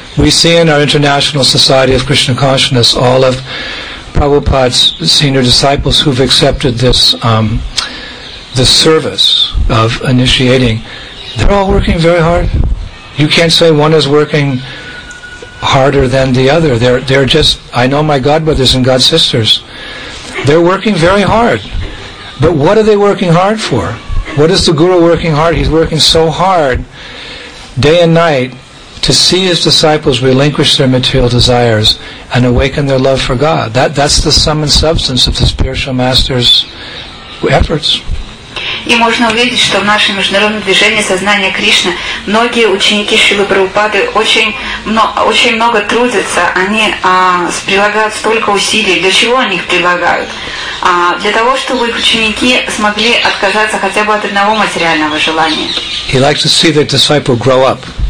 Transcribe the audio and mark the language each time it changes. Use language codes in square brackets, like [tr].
[en] We see in our International Society of Krishna Consciousness all of Prabhupada's senior disciples who've accepted this the service of initiating. They're all working very hard. You can't say one is working harder than the other. They're just, I know my God brothers and God sisters. They're working very hard. But what are they working hard for? What is the Guru working hard? He's working so hard, day and night, to see his disciples relinquish their material desires and awaken their love for God. That's the sum and substance of the spiritual master's efforts. [ru] И можно увидеть, что в нашем международном движении сознания Кришны многие ученики Шрилы Прабхупады очень много трудятся, они прилагают столько усилий. Для чего они их прилагают? Для того, чтобы их ученики смогли отказаться хотя бы от одного материального желания. [en] He likes to see their disciple grow up.